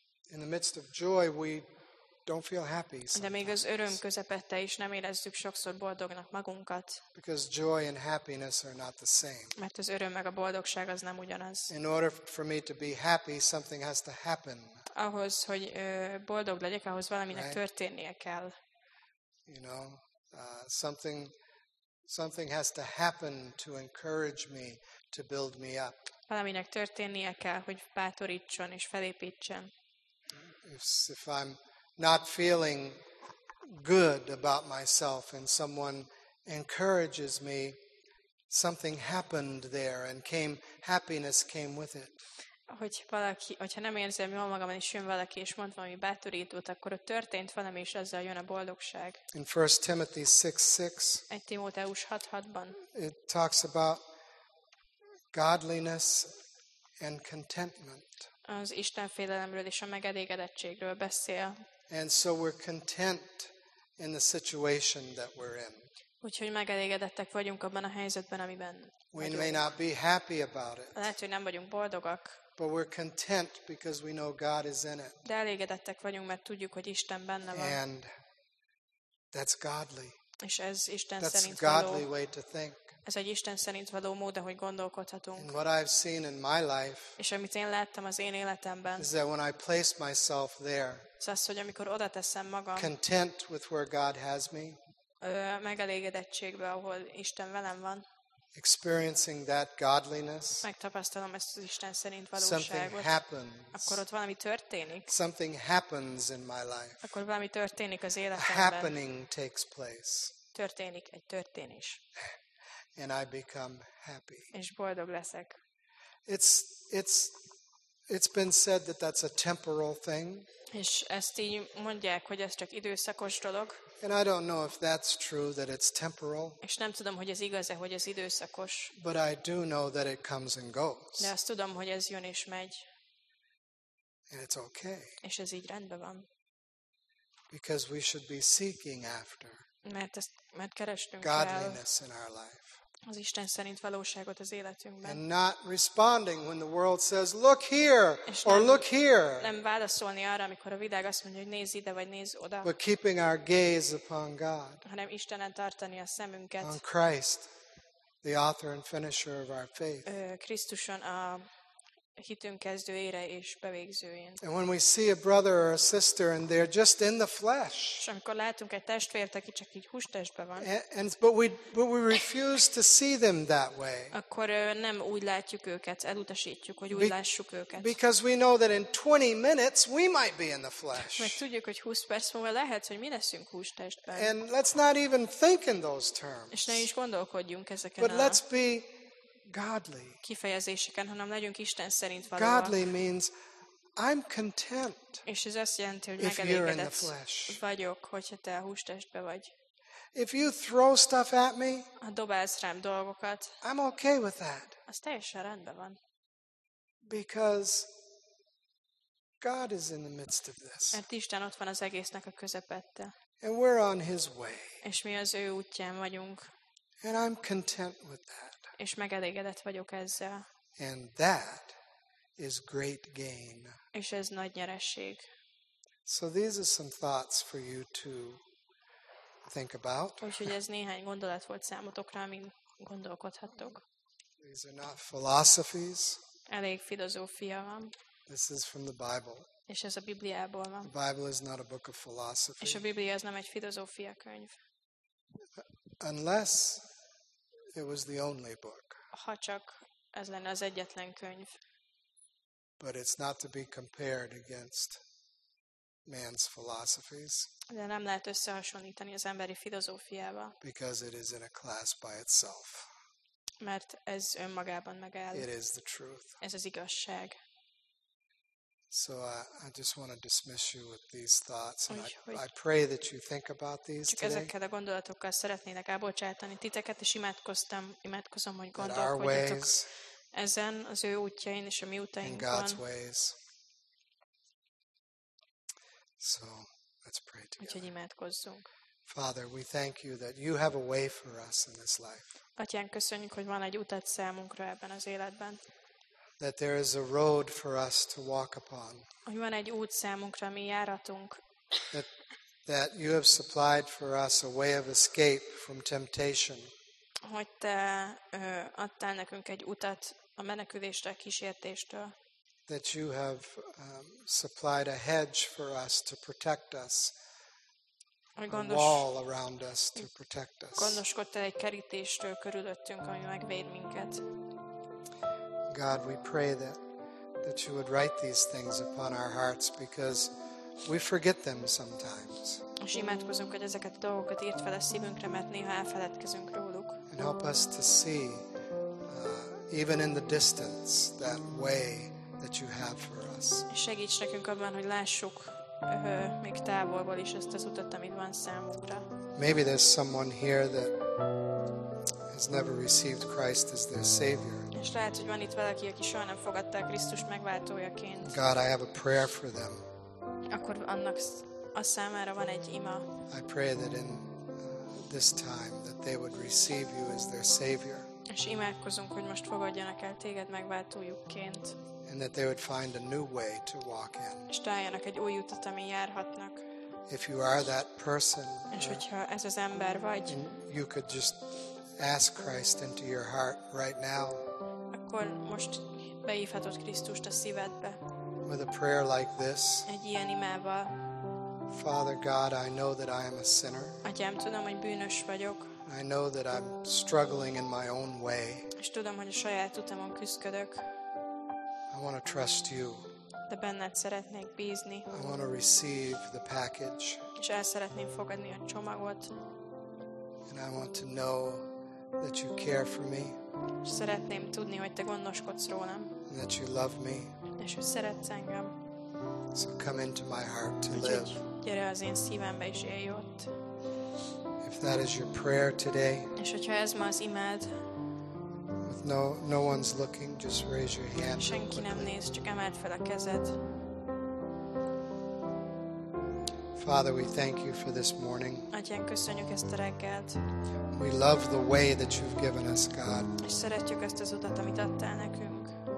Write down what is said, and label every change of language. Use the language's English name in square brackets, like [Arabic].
[English] In the midst of joy, we don't feel happy. [Hungarian] De még az öröm közepette is nem érezzük sokszor boldognak magunkat. [English] Because joy and happiness are not the same. [Hungarian] Mert az öröm meg a boldogság az nem ugyanaz. [English] In order for me to be happy, something has to happen. [Hungarian] Ahhoz, hogy boldog legyek, ahhoz valaminek [English] right? [Hungarian] Történnie kell. [English] You know, something has to happen to encourage me, to build me up. [Hungarian] Valaminek történnie kell, hogy bátorítson és felépítsen. [English] If I'm not feeling good about myself and someone encourages me, something happened there and happiness came with it. [Hungarian] Hogyha nem érzem jól magam, és jön valaki és mond valami bátorítót, akkor ott történt valami, és azzal jön a boldogság. [English] In 1 Timothy 6:6, [Hungarian] 1 Timóteus 6:6-ban, [English] it talks about godliness and contentment. [Hungarian] az Istenfélelemről és a megelégedettségről beszél. [English] And so we're content in the situation that we're in. [Hungarian] Úgyhogy megelégedettek vagyunk abban a helyzetben, amiben vagyunk. [English] We may not be happy about it. [Hungarian] Lehet, hogy nem vagyunk boldogak. [English] But we're content because we know God is in it. [Hungarian] De elégedettek vagyunk, mert tudjuk, hogy Isten benne van. [English] And that's godly. [Hungarian] És ez Isten [English] that's [Hungarian] szerint [English] godly [Hungarian] való. [English] Way to think. [Hungarian] Ez egy Isten szerint való mód, ahogy gondolkodhatunk. [English] And what I've seen in my life. [Hungarian] És amit én láttam az én életemben. [English] Is that when I place myself there. [Hungarian] Ez az, hogy amikor oda teszem magam. [English] Content with where God has me. [Hungarian] Megelégedettségbe, ahol Isten velem van. [English] Experiencing that godliness. [Hungarian] Megtapasztalom ezt az Isten szerint valóságot. [English] Something happens. [Hungarian] Akkor ott valami történik. [English] Something happens in my life. [Hungarian] Akkor valami történik az életemben. [English] A happening takes place. [Hungarian] Történik egy történés. [English] And I become happy. [Hungarian] És boldog leszek. [English] It's been said that that's a temporal thing. [Hungarian] És ezt így mondják, hogy ez csak időszakos dolog. [English] And I don't know if that's true that it's temporal. [Hungarian] És nem tudom, hogy ez igaz-e, hogy ez időszakos. [English] But I do know that it comes and goes. [Hungarian] De azt tudom, hogy ez jön és megy. [English] And it's okay. [Hungarian] És ez így rendben van. [English] Because we should be seeking after. [Hungarian] Mert keresünk [English] godliness in our life. [Hungarian] Az Isten szerint valóságot az életünkben. [English] And not responding when the world says, look here, or look here. [Hungarian] Nem válaszolni arra, amikor a világ azt mondja, hogy nézz ide, vagy nézz oda. [English] But keeping our gaze upon God. [Hungarian] Hanem Istenen tartani a szemünket. [English] On Christ, the author and finisher of our faith. [Hungarian] Krisztuson a hitünk kezdőjére és bevégzőjén. [English] And when we see a brother or a sister and they're just in the flesh. [Hungarian] És amikor látunk egy testvért, aki csak így hústestben van. [English] But we refuse to see them that way. [Hungarian] Akkor nem úgy látjuk őket, elutasítjuk, hogy úgy lássuk őket. [English] Because we know that in 20 minutes we might be in the flesh. [Hungarian] Mert tudjuk, hogy 20 perc múlva lehet, hogy mi leszünk hústestben. [English] And let's not even think in those terms. [Hungarian] És ne is gondolkodjunk ezeken. [English] But let's be godly. [Hungarian] Kifejezéseken, hanem legyünk Isten szerint valóak. [English] Godly means I'm content. [Hungarian] És ez azt jelenti, hogy megelégedett vagyok, hogyha te a hústestben vagy. [English] If you throw stuff at me, [Hungarian] ha dobálsz rám dolgokat, [English] I'm okay with that. [Hungarian] Az teljesen rendben van. [English] Because God is in the midst of this. [Hungarian] Mert Isten ott van az egésznek a közepette. [English] And we're on His way. [Hungarian] És mi az ő útján vagyunk. [English] And I'm content with that. [Hungarian] És megelégedett vagyok ezzel. [English] And that is great gain. [Hungarian] És ez nagy nyeresség. [English] So these are some thoughts for you to think about. [Hungarian] Úgyhogy ez néhány gondolat volt számotokra, amin gondolkodhattok. [English] These are not philosophies. [Hungarian] Elég filozófia van. [English] This is from the Bible. [Hungarian] És ez a Bibliából van. [English] The Bible is not a book of philosophy. [Hungarian] És a Biblia az nem egy filozófia könyv. [English] Unless it was the only book. [Hungarian] Ha csak ez lenne az egyetlen könyv. [English] But it's not to be compared against man's philosophies. [Hungarian] De nem lehet összehasonlítani az emberi filozófiával. [English] Because it is in a class by itself. [Hungarian] Mert ez önmagában megáll. [English] It is the truth. [Hungarian] Ez az igazság. [English] So I just want to dismiss you with these thoughts, and I pray that you think about these today. [Hungarian] Csak ezekkel a gondolatokkal szeretnének elbocsátani titeket, és imádkozom, hogy gondolkodjatok ezen az ő útjain és a mi útjainkon. [English] In God's ways. So let's pray together. [Hungarian] Úgyhogy imádkozzunk. [English] Father, we thank you that you have a way for us in this life. [Hungarian] Atyánk, köszönjük, hogy van egy utat számunkra ebben az életben. [English] That there is a road for us to walk upon. [Hungarian] Hogy van egy út számunkra, mi járatunk. [English] That you have supplied for us a way of escape from temptation. [Hungarian] Hogy te adtál nekünk egy utat a menekülésre, a kísértéstől. [English] That you have supplied a hedge for us to protect us. A wall around us to protect us. [Hungarian] Gondoskodtál egy kerítéstől körülöttünk, ami megvéd minket. [English] God, we pray that you would write these things upon our hearts because we forget them sometimes. [Hungarian] És imádkozunk, hogy ezeket a dolgokat írd fel a szívünkre, mert néha elfeledkezünk róluk. [English] And help us to see, even in the distance, that way that you have for us. [Hungarian] És segíts nekünk abban, hogy lássuk még távolból is ezt az utat, amit van számunkra. [English] Maybe there's someone here that has never received Christ as their savior. [Hungarian] És lehet, hogy van itt valaki, aki soha nem fogadta Krisztust megváltójaként. [English] God, I have a prayer for them. [Hungarian] Akkor annak a számára van egy ima. [English] I pray that in this time that they would receive you as their savior. [Hungarian] És imádkozunk, hogy most fogadjanak el téged megváltójukként. [English] And that they would find a new way to walk in. [Hungarian] És találjanak egy új utat, amin járhatnak. [English] If you are that person, [Hungarian] és hogyha ez az ember vagy, [English] you could just ask Christ into your heart right now. [Hungarian] Akkor most beívhatod Krisztust a szívedbe. [English] With a prayer like this. [Hungarian] Egy ilyen imával. [English] Father God, I know that I am a sinner. [Hungarian] Atyám, tudom, hogy bűnös vagyok. [English] I know that I'm struggling in my own way. [Hungarian] És tudom, hogy a saját utamon küzdök. [English] I want to trust you. [Hungarian] De benned szeretnék bízni. [English] I want to receive the package. [Hungarian] És el szeretném fogadni a csomagot. [English] And I want to know that you care for me. [Hungarian] És szeretném tudni, hogy te gondoskodsz rólam. [English] And that you love me. [Hungarian] És hogy szeretsz engem. [English] So come into my heart to live. [Hungarian] Gyere az én szívembe és élj ott. [English] If that is your prayer today. [Hungarian] És hogyha ez ma az imád. [English] No one's looking, just raise your hand. [Hungarian] Senki nem néz, csak emeld fel a kezed. [English] Father, we thank you for this morning. [Hungarian] Atyán, köszönjük ezt a reggelt. [English] We love the way that you've given us, God. [Hungarian] És szeretjük ezt az utat, amit adtál nekünk.